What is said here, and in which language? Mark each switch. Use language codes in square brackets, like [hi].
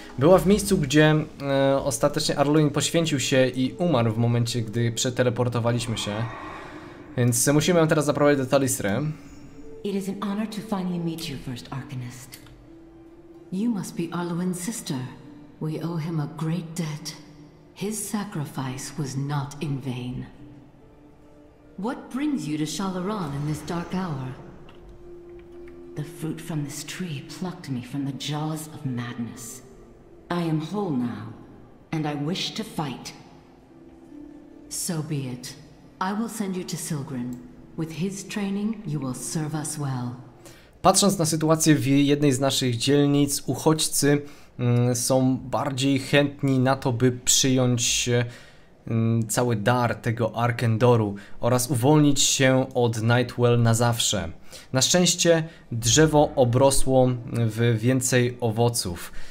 [pl] Była w miejscu, gdzie ostatecznie Arluin poświęcił się i umarł w momencie, gdy przeteleportowaliśmy się. Więc musimy ją teraz zaprowadzić do Talistry. [en] It is an honor to finally meet you, first Arcanist. You must be Arluin's sister. We owe him a great debt. His sacrifice was not in vain. What brings you to Shalaran in this dark hour? The fruit from this tree plucked me from the jaws of madness. I am whole now, and I wish to fight. So be it. I will send you to Silgrin. With his training, you will serve us well. [pl] Patrząc na sytuację w jednej z naszych dzielnic, uchodźcy są bardziej chętni na to, by przyjąć cały dar tego Arkendoru oraz uwolnić się od Nightwell na zawsze. Na szczęście drzewo obrosło w więcej owoców.